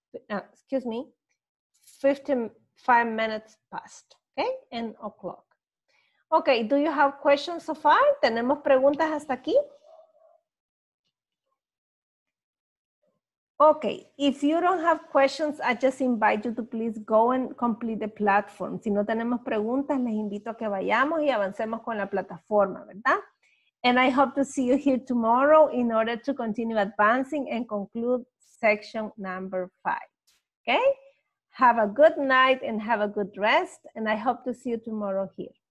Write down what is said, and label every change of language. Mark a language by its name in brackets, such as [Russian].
[English] excuse me, 55 minutes past, okay? And o'clock. Okay, do you have questions so far? [Spanish] ¿Tenemos preguntas hasta aquí? [English] Okay, if you don't have questions, I just invite you to please go and complete the platform. [Spanish] Si no tenemos preguntas, les invito a que vayamos y avancemos con la plataforma, ¿verdad? [English] And I hope to see you here tomorrow in order to continue advancing and conclude section number 5. Okay? Have a good night and have a good rest. And I hope to see you tomorrow here.